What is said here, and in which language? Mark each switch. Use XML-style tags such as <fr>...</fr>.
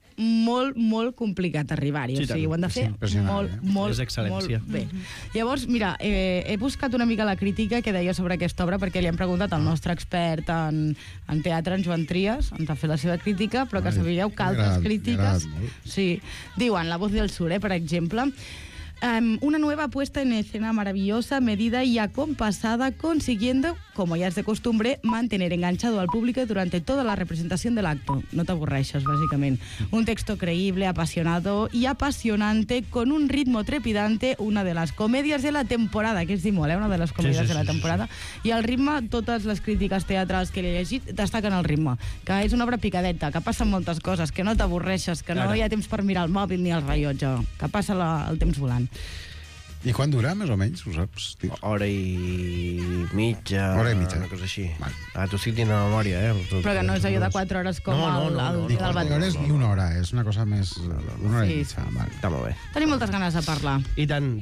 <ca>molt, molt complicat arribar-hi. Sí, o sigui, ho han de fer molt, molt, molt bé. Llavors, mira, he buscat una mica la crítica que deia sobre aquesta obra perquè li hem preguntat al nostre expert en teatre, en Joan Trias, ens ha fet la seva crítica, però que sabíeu que altres crítiques... Sí, diuen La Voz del Sur, per exemple...</ca> <es>una nueva puesta en escena maravillosa, medida y acompasada, consiguiendo, como ya es de costumbre, mantener enganchado al público durante toda la representación del acto. No te aburreixes, básicamente. Un texto creíble, apasionado y apasionante, con un ritmo trepidante, una de las comedias de la temporada,</es> <ca>que es dir molt,</ca> <es>una de las comedias de la temporada, y el ritmo, todas las críticas teatrales que he llegit destaquen el ritmo, que es una obra picadeta,</es> <ca>que passen moltes coses, que no t'aburreixes, que no hi ha temps per mirar el mòbil ni el rellotge, que passa el temps volant. I quan dura, més o menys, ho saps? Hora i mitja. Hora i mitja. Una cosa així. Ah, t'ho estic dient a memòria, eh? Però que no és allò de 4 hores com el Batman. No, ni una hora, és una cosa més... Una hora i mitja, vale. Està molt bé. Tenim moltes ganes de parlar. I tant.</ca>